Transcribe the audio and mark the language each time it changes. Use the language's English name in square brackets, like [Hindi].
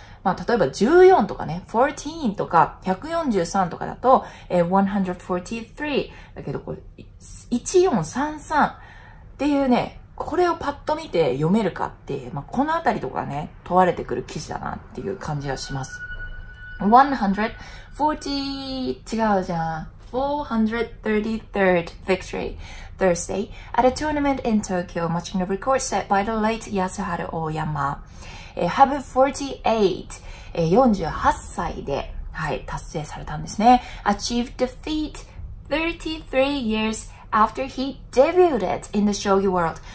[Japanese] まあ、例えば14とかね、14とか、143とかだと、143。だけど、これ、1433っていうね、これをパッと見て読めるかって、まあ、このあたりとかね、問われてくる記事だなっていう感じはします。 [English] 433rd victory Thursday at a tournament in Tokyo, matching the record set by the late Yasuharu Oyama. Habu 48, [Japanese] 48歳で、はい、達成されたんですね。 [English] Achieved defeat 33 years after he debuted in the 将棋 world.